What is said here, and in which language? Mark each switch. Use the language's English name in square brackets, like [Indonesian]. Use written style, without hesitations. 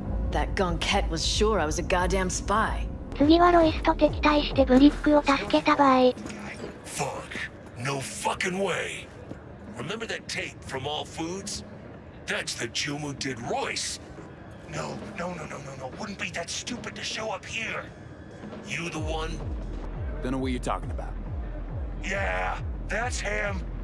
[English] That gunkette was sure I was a goddamn spy. [Japanese] 次はロイスと敵対してブリックを助けた場合。 [English] Fuck. No fucking way. Remember that tape from All Foods? That's the Jumu did Royce. No, no, no, no, no, no. Wouldn't be that stupid to show up here. You the one? Don't know what you're talking about. Yeah, that's him.